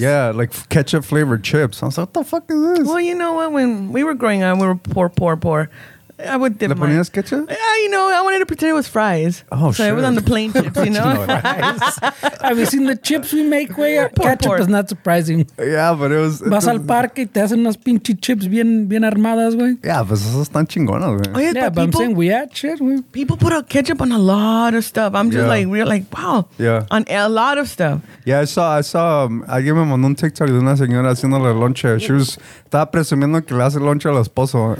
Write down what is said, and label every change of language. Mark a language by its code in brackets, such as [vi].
[en] Yeah, like ketchup flavored chips. I was like, what the fuck is this? Well, you know what? When we were growing up, we were poor. I would dip mine. [es] Ponías ketchup? [en] Yeah, you know, I wanted to pretend it was fries. Oh, so sure. It was on the plain chips, you know? Have you seen the chips we make, way? Ketchup is not surprising. Yeah, but it was... [es] Vas al parque y te hacen unas pinche chips bien armadas, güey. Yeah, pues esas están chingonas, güey. [en] Oh, yeah, but people, I'm saying we had shit, güey. People put ketchup on a lot of stuff. I'm just like, we're like, wow. Yeah. On a lot of stuff. Yeah, I saw... [es] alguien me mandó un TikTok de una señora haciéndole lonche. [en] She was... [es] Estaba presumiendo que le hace lonche al esposo.